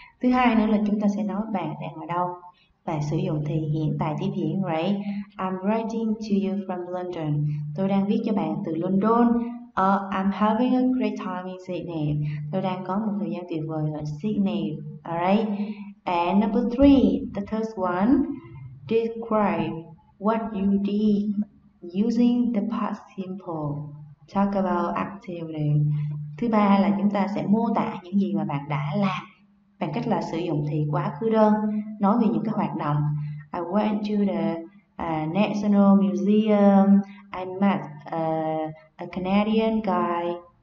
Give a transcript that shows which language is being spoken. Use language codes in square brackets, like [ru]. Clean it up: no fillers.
[vi] Thứ hai nữa là chúng ta sẽ nói bạn đang ở đâu và sử dụng thì hiện tại tiếp diễn, right? [en] I'm writing to you from London. [vi] Tôi đang viết cho bạn từ London. [en] I'm having a great time in Sydney. [vi] Tôi đang có một thời gian tuyệt vời ở Sydney, alright? [en] And number three, the third one, describe what you did using the past simple. Talk about activity. [vi] Thứ ba là chúng ta sẽ mô tả những gì mà bạn đã làm bằng cách là sử dụng thì quá khứ đơn, nói về những cái hoạt động. [en] I went to the National Museum. I met a Canadian guy.